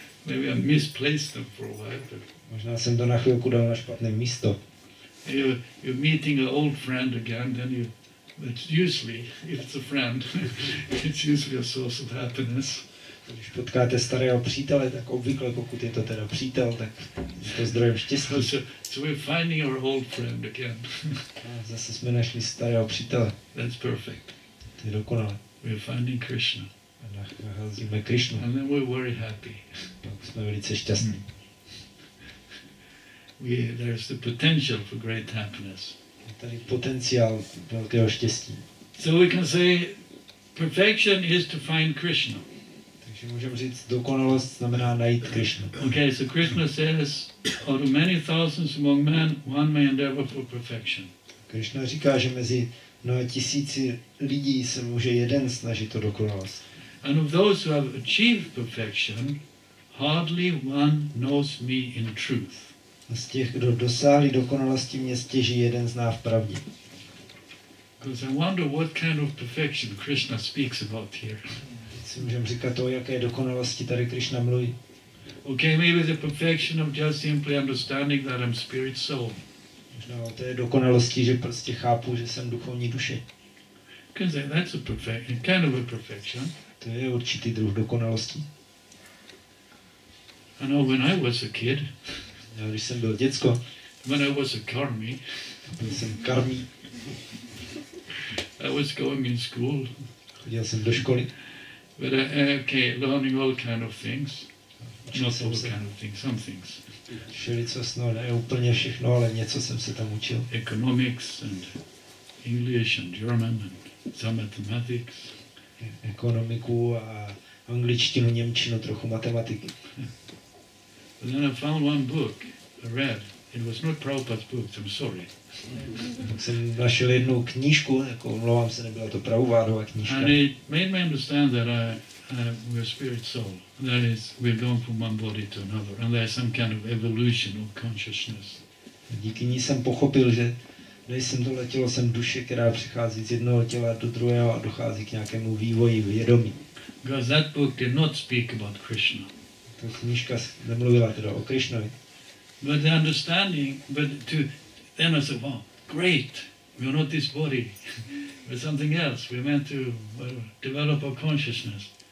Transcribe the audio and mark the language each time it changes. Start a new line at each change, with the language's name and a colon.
English: Maybe I misplaced them for a while. But
Czech: možná jsem to na chvilku dal na špatné místo.
English: You're meeting an old friend again, then you. It's usually, if it's a friend, it's usually a source of happiness.
Czech: Když potkáte starého přítele, tak obvykle, pokud je to teda přítel, tak je to zdrojem štěstí.
English: So we're finding our old friend again.
Czech: A zase jsme našli starého přítele.
English: That's perfect.
Czech: To je dokonalé.
English: We're finding Krishna.
Czech: A nacházíme Krishnu.
English: And then we're very happy.
Czech: Pak jsme velice šťastní.
English: There's the potential for great happiness.
Czech: Tady potenciál velkého štěstí.
English: So we can say perfection is to find Krishna.
Czech: Takže můžeme říct, dokonalost znamená najít Krishnu.
English: Okay, so Krishna says, out of many thousands among men, one may endeavor for perfection.
Czech: Krishna říká, že mezi mnoha tisíci lidí se může jeden snažit o dokonalost.
English: And of those who have achieved perfection, hardly one knows me in truth.
Czech: A z těch, kdo dosáhli dokonalosti, mě stěží jeden zná v pravdě.
English: Because I wonder what kind of perfection Krishna speaks about here.
Czech: Si můžeme říkat to, jaké dokonalosti tady Krishna mluví.
English: Okay, maybe the perfection of just simply understanding that I'm spirit soul.
Czech: možná o té dokonalosti, že prostě chápu, že jsem duchovní duše.
English: Because that's a perfection, kind of a perfection.
Czech: To je určitý druh dokonalosti.
English: I know when I was a kid.
Czech: Já, když jsem byl děcko.
English: When I was a karmi.
Czech: Byl jsem karmi.
English: I was going in school.
Czech: Chodil jsem do školy.
English: But okay, learning all kind of things. Not all kind of things, some things.
Czech: Všelicos, no, ne úplně všechno, ale něco jsem se tam učil.
English: Economics and English and German and some mathematics.
Czech: Ekonomiku a angličtinu, němčinu, trochu matematiky.
English: But then I found one book, I read. It was not Prabhupada's book, I'm sorry.
Czech: Jsem našel jednu knížku, jako omlouvám se, nebyla to Prabhupádova knížka.
English: And it made me understand that we are spirit soul. That is, we are going from one body to another. And there is some kind of evolution of consciousness.
Czech: Díky ní jsem pochopil, že nejsem tohle tělo, jsem duše, která přichází z jednoho těla do druhého a dochází k nějakému vývoji vědomí.
English: Because that book did not speak about Krishna.
Czech: Ta knížka nemluvila teda o Krishnovi.
English: But the understanding, but to then I said, "Wow, great! We are not this body. We're something else. We're meant to develop our consciousness."